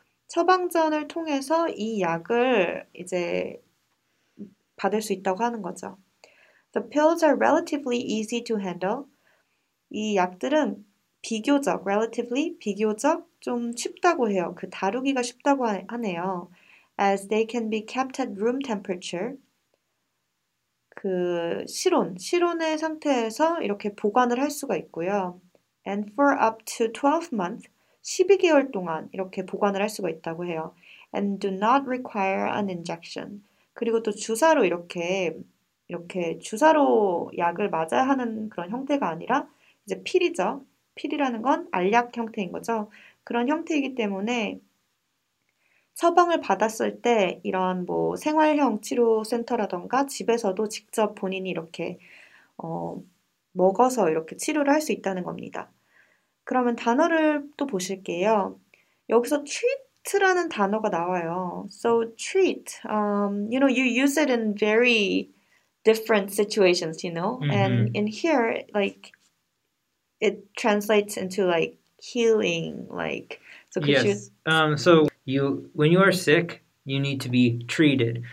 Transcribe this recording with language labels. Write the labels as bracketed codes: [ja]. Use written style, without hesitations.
[ko] 처방전을 통해서 이 약을 이제 받을 수 있다고 하는 거죠. [en] The pills are relatively easy to handle. [ko] 이 약들은 비교적, relatively, 비교적 좀 쉽다고 해요. 그 다루기가 쉽다고 하네요. [en] As they can be kept at room temperature. [ko] 그 실온의 상태에서 이렇게 보관을 할 수가 있고요. [en] And for up to 12 months, [ko] 12개월 동안 이렇게 보관을 할 수가 있다고 해요. [en] And do not require an injection. [ko] 그리고 또 주사로 이렇게 주사로 약을 맞아야 하는 그런 형태가 아니라 이제 필이죠. 필이라는 건 알약 형태인 거죠. 그런 형태이기 때문에 처방을 받았을 때 이런 뭐 생활형 치료센터라던가 집에서도 직접 본인이 이렇게 먹어서 이렇게 치료를 할수 있다는 겁니다. 그러면 단어를 또 보실게요. 여기서 treat라는 단어가 나와요. [en] So treat, you use it in very different situations, And in here, it translates into healing, so could you Yes. So you when you are sick, you need to be treated.